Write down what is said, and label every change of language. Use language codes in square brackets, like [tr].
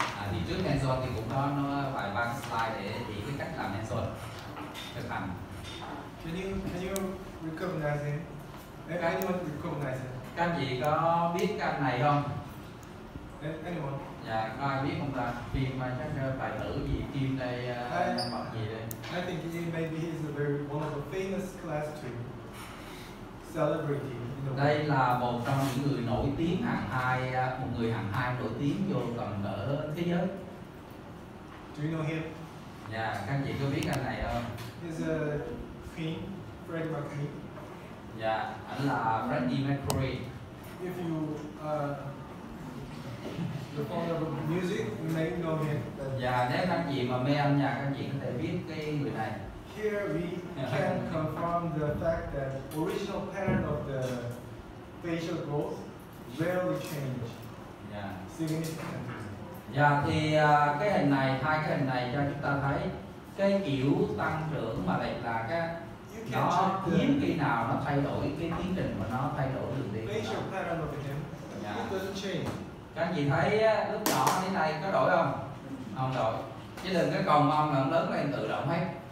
[vi] Thì trước hand zone thì cũng có nó vài ba slide để chỉ cái cách làm hand zone thực hành. [en] Can you recognize him? Anyone recognize him? [vi] Các chị có biết cái này không? [en] Anyone? [vi] Dạ, có ai biết không ta? Phim chắc tài tử gì, phim đây, mặc gì đây? [en] I think he maybe is a very one of the famous class two celebrity. [vi] Đây là một trong những người nổi tiếng hàng hai, một người hàng hai nổi tiếng vô tầm ở thế giới. [en] Do you know him? [vi] Dạ, các chị có biết anh này không? [en] He's a Queen, Freddie Mercury. [vi] Dạ, anh là Freddie Mercury. [en] If you the founder of music, you may know him. [vi] Dạ, nếu các chị mà mê âm nhạc, các chị có thể biết cái người này. [en] Here we can confirm the fact that original pattern of the facial growth rarely change. Yeah. Significantly. [vi] Dạ, thì cái hình này, hai cái hình này cho chúng ta thấy cái kiểu tăng trưởng mà lại là cái nó hiếm khi nào nó thay đổi cái tiến trình mà nó thay đổi được đi. [en] Facial pattern of him, yeah, it doesn't change. [vi] Các anh chị thấy lúc nhỏ đến nay có đổi không? Không đổi. Chứ đừng cái còn mong là lớn lên tự động hết.